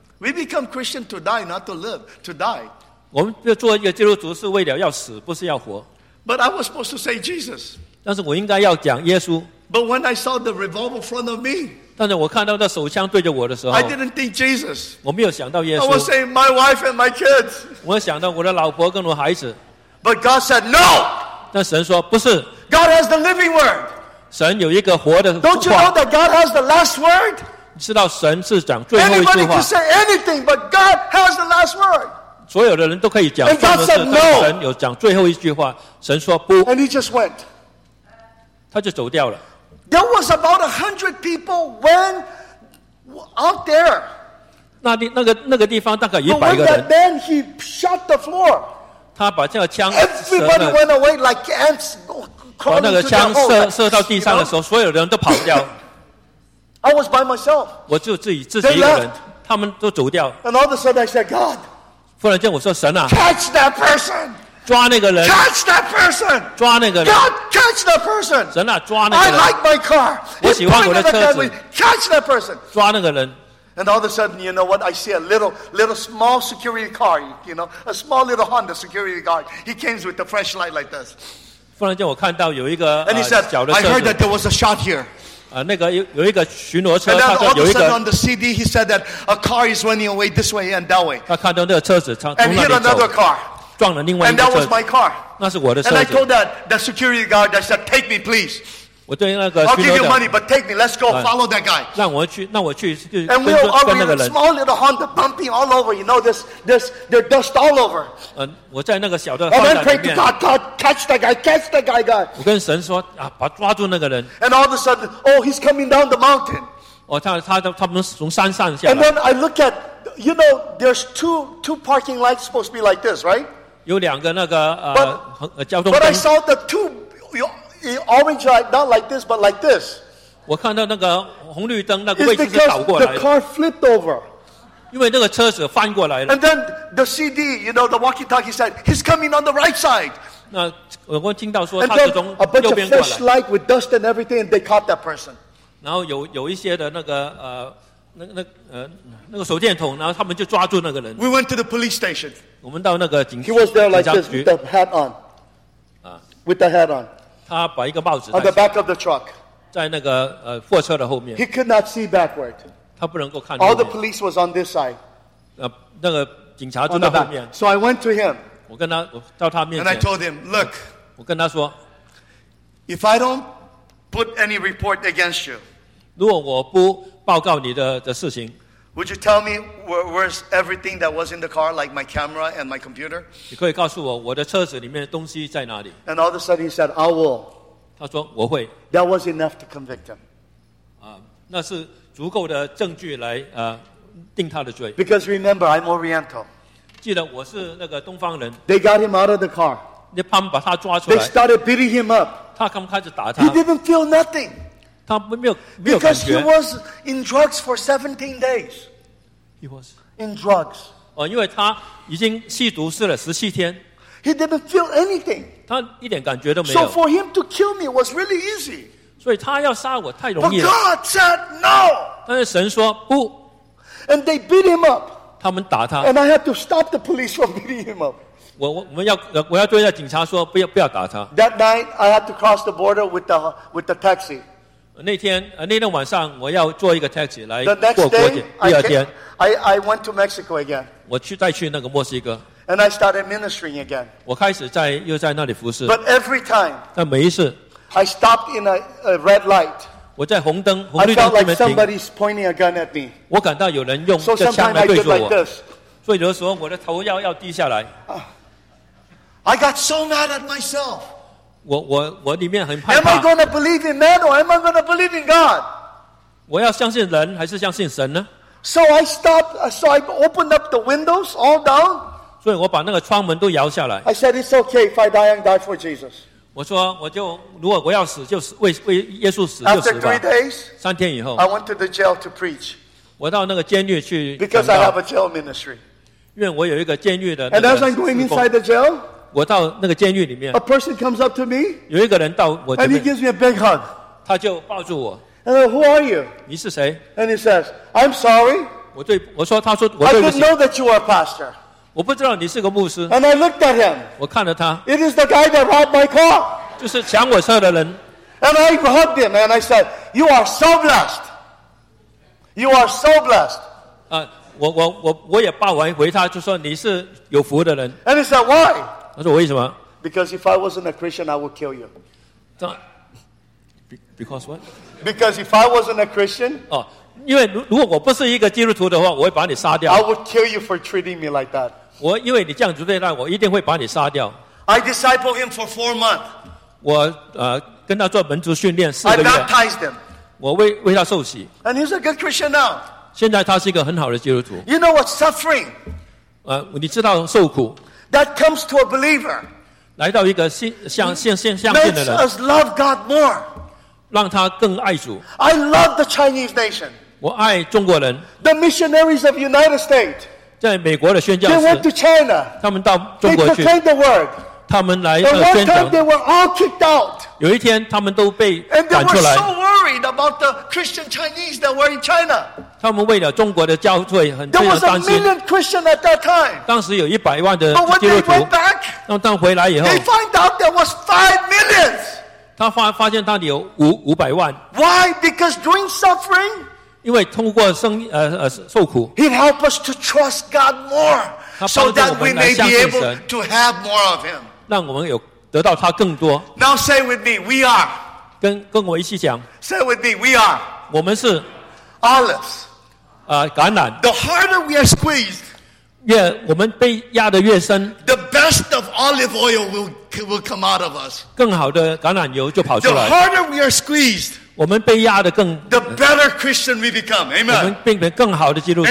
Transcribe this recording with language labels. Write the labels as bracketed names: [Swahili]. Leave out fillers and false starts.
[English] We become Christian to die, not to live. To die. [Chinese] 我们就做一个基督徒是为了要死，不是要活。 [English] But I was supposed to say Jesus. [Chinese] 但是我应该要讲耶稣。 [English] But when I saw the revolver in front of me. [Chinese] 但是我看到那手枪对着我的时候 [English] I didn't think Jesus. [Chinese] 我没有想到耶稣 [English] I was saying my wife and my kids. [Chinese] 我想到我的老婆跟我孩子 [English] But God said no. [Chinese] 但神说不是 [English] God has the living word. [Chinese] 神有一个活的话 [English] Don't you know that God has the last word? [Chinese] 你知道神是讲最后一句话 [English] Anybody can say anything but God has the last word. [Chinese] 所有的人都可以讲 [English] And God said no. [Chinese] 神有讲最后一句话神说不 [English] And he just went. [Chinese] 他就走掉了 [English] There was about 100 people when out there. [Chinese] 那个地方大概一百个人。 [English] But when that man he shot the floor. [Chinese] 他把这个枪。 [English] Everybody went away like ants. [Chinese] 把那个枪射到地上的时候，所有人都跑掉。 [English] I was by myself. [Chinese] 我就自己一个人。他们都走掉。 [English] And all of a sudden I said, God. [Chinese] 忽然间我说神啊。 [English] Catch that person. [Chinese] 抓那个人 [English] catch that person. [Chinese] 抓那个人 [English] God, catch that person. [Chinese] 神啊，抓那个人 [English] I like my car. [Chinese] 我喜欢我的车子 [English] catch that person. [Chinese] 抓那个人 [English] And all of a sudden, you know what? I see a little small security car, you know, a small little Honda security car. He came with a fresh light like this. [Chinese] 忽然间我看到有一个 [English] And he said, I heard that there was a shot here. [Chinese] 那个有一个巡逻车 [English] And then all of a sudden on the CD, he said that a car is running away this way and that way. [Chinese] 他看到那个车子 [English] And hit another car. [Chinese] 撞了另外一个车 [English] And that was my car. [Chinese] 那是我的车子。 [English] And I told that security guard, I said, take me, please. [Chinese] 我对那个 [English] I'll give you money, but take me. Let's go follow that guy. [Chinese] 让我去，那我去。 [English] And we were in a small little Honda, bumping all over. You know, there's dust all over. [Chinese] 我在那个小的 [English] And I prayed to God, God, catch that guy. [Chinese] 我跟神说啊，把抓住那个人。 [English] And all of a sudden, oh, he's coming down the mountain. [Chinese] 哦，他们从山上下来。 [English] And then I look at, you know, there's two parking lights supposed to be like this, right? [Chinese] 有两个那个交通灯 [English] But I saw the two orange light, not like this, but like this. [Chinese] 我看到那个红绿灯那个位置是倒过来的 [English] It's because the car flipped over. [Chinese] 因为那个车子翻过来了 [English] And then the CD, you know, the walkie-talkie said, he's coming on the right side. [Chinese] 那我听到说他是从右边过来 [English] And then a bunch of fresh light with dust and everything, and they caught that person. [Chinese] 然后有一些的那个那个手电筒，然后他们就抓住那个人。 [English] We went to the police station. [Chinese] 我们到那个警局。 [English] He was there like this, with the hat on. With the hat on. [Chinese] 他把一个帽子。 [English] On the back of the truck. [Chinese] 在那个货车的后面。 [English] He could not see backward. [Chinese] 他不能够看。 [English] All the police was on this side. [Chinese] 那个警察就在后面。 [English] So I went to him. [Chinese] 我跟他，我到他面前。 [English] And I told him, look. [Chinese] 我跟他说，If I don't put any report against you. 如果我不报告你的事情。 [English] Would you tell me where's everything that was in the car, like my camera and my computer? [Chinese] 你可以告诉我的车子里面的东西在哪里。 [English] And all of a sudden he said, I will. [Chinese] 他说我会。 [English] That was enough to convict him. [Chinese] 那是足够的证据来定他的罪。 [English] Because remember, I'm Oriental. [Chinese] 记得我是那个东方人。 [English] They got him out of the car. [Chinese] 他们把他抓出来。 [English] They started beating him up. [Chinese] 他刚开始打他。 [English] He didn't feel nothing. [Chinese] 他没有感觉 [English] Because he was in drugs for 17 days. He was in drugs. [Chinese] 因为他已经吸毒试了17天。 [English] He didn't feel anything. [Chinese] 他一点感觉都没有。 [English] So for him to kill me was really easy. [Chinese] 所以他要杀我太容易了。 [English] But God said no. [Chinese] 但是神说不。 [English] And they beat him up. [Chinese] 他们打他。 [English] And I had to stop the police from beating him up. [Chinese] 我要对那警察说不要打他。 [English] That night I had to cross the border with the taxi. [Chinese] 那天晚上我要坐一个 taxi 来过国界。第二天 [English] I went to Mexico again. [Chinese] 我去再去那个墨西哥。 [English] And I started ministering again. [Chinese] 我开始在又在那里服侍。 [English] But every time, [Chinese] 但每一次 [English] I stopped in a red light. [Chinese] 我在红绿灯停。 [English] I felt like somebody's pointing a gun at me. [Chinese] 我感到有人用这枪来对着我。 [English] So sometimes I did like this. [Chinese] 所以有的时候我的头要低下来。 [English] I got so mad at myself. [Chinese] 我里面很怕。 [English] Am I going to believe in man or am I going to believe in God? [Chinese] 我要相信人还是相信神呢 [English] ？So I stopped. So I opened up the windows all down. [Chinese] 所以我把那个窗门都摇下来。 [English] I said it's okay if I die and die for Jesus. [Chinese] 我说我就如果我要死就死为耶稣死就死吧。 [English] After 3 days, [Chinese] 三天以后 [English] ，I went to the jail to preach. [Chinese] 我到那个监狱去。 [English] Because I have a jail ministry. [Chinese] 因为我有一个监狱的。 [English] And as I'm going inside the jail. [Chinese] 我到那个监狱里面 [English] A person comes up to me [Chinese] 有一个人到我这边 [English] And he gives me a big hug [Chinese] 他就抱住我 [English] And I said, who are you? [Chinese] 你是谁 [English] And he says, I'm sorry [Chinese] 我说我对不起 [English] I didn't know that you were a pastor [Chinese] 我不知道你是个牧师 [English] And I looked at him [Chinese] 我看着他 [English] It is the guy that robbed my car [Chinese] 就是抢我车的人 [English] And I hugged him and I said, you are so blessed You are so blessed. [Chinese] 我也抱完回他就说你是有福的人。 [English] And he said, why? [Chinese] 他说为什么？ [English] Because if I wasn't a Christian, I would kill you. Because what? Because if I wasn't a Christian, [Chinese] 因为如果我不是一个基督徒的话，我会把你杀掉。 [English] I would kill you for treating me like that. [Chinese] 因为你这样子对待我，一定会把你杀掉。 [English] I discipled him for 4 months. [Chinese] 我跟他做门徒训练四个月。 [English] I baptized him. [Chinese] 我为他受洗。 [English] And he's a good Christian now. [Chinese] 现在他是一个很好的基督徒。 [English] You know what suffering? [Chinese] 你知道受苦。 [English] That comes to a believer. [Chinese] 来到一个信仰的人。 [English] Makes us love God more. [Chinese] 让他更爱主。 [English] I love the Chinese nation. [Chinese] 我爱中国人。 [English] The missionaries of the United States. [Chinese] 在美国的宣教士, [English] they went to China. [Chinese] 他们到中国去, [English] they proclaimed the word. [Chinese] 他们来, [English] the one time they were all kicked out. [Chinese] 有一天他们都被赶出来。 [English] And they were so worried about the Christian Chinese that were in China. [Chinese] 他们为了中国的教会很担心。 [English] There was a million Christian at that time. [Chinese] 当时有100万的基督徒。 [English] But when they went back, [Chinese] 回来以后, [English] they find out there was 5 million. [Chinese] 他发现到底有500万。 [English] Why? Because during suffering, [Chinese] 因为通过受苦, [English] he helped us to trust God more so that we may be able to have more of him. [Chinese] 让我们有得到他更多。 [English] Now say with me, we are. [Chinese] 跟我一起讲。 [English] Say with me, we are. [Chinese] 我们是 [English] olives. [Chinese] 橄榄。 [English] The harder we are squeezed, [Chinese] 我们被压得越深, [English] the best of olive oil will come out of us. [Chinese] 更好的橄榄油就跑出来。 [English] The harder we are squeezed, [Chinese] 我们被压得更, [English] the better Christian we become. Amen. [Chinese] 我们变得更好的基督徒。